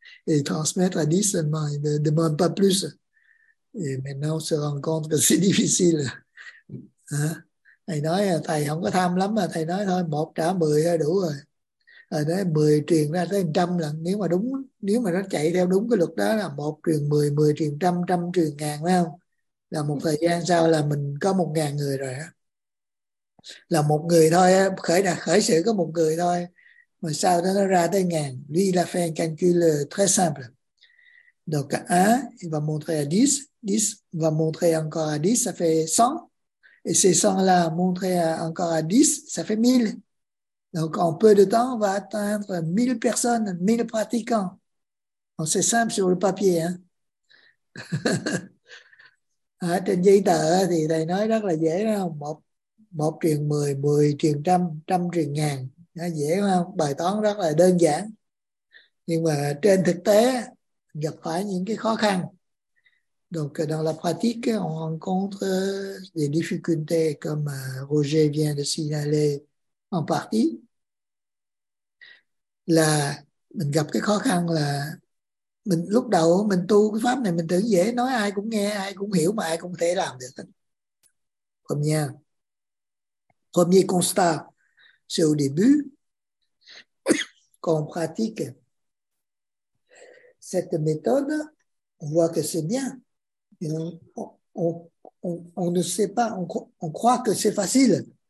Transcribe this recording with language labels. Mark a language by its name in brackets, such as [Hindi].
[French] et transmettre à 10 seulement. Ils ne demandent pas plus. Et maintenant, on se rend compte que c'est difficile. Hein? [Vietnamese] Thầy nói, thầy không có tham lắm mà thầy nói thôi, một trả 10 là đủ rồi. Thầy nói 10 truyền ra tới 100 lần, nếu mà đúng, nếu mà nó chạy theo đúng cái luật đó là một truyền 10, 10 truyền 100, 100 truyền ngàn, phải không? Là một thời gian sau là mình có 1.000 người rồi á. Là một người thôi, khởi sự có một người thôi, mà sau đó nó ra tới ngàn. [French] Lui la fin calcul très simple. Donc, il va montrer à 10, 10 va montrer encore à 10, ça fait 100. Et ces 100-là montrés encore à 10, ça fait 1000. Donc, en peu de temps, on va atteindre 1000 personnes, 1000 pratiquants. Bon, c'est simple sur le papier. Hein? [Vietnamese] À, trên giấy tờ thì thầy nói rất là dễ, không? Một truyền 10, 10 truyền 100, 100 truyền ngàn. Đó, dễ không? Bài toán rất là đơn giản. Nhưng mà trên thực tế, gặp phải những cái khó khăn. [French] Donc, dans la pratique, on rencontre des difficultés comme Roger vient de signaler en partie. [Vietnamese] Là, mình gặp cái khó khăn là mình, lúc đầu mình tu cái pháp này mình tưởng dễ, nói ai cũng nghe, ai cũng hiểu mà ai cũng thể làm được. [French] Premier constat, c'est au début qu'on pratique cette méthode, on voit que c'est bien. On ne sait pas, on croit que c'est facile.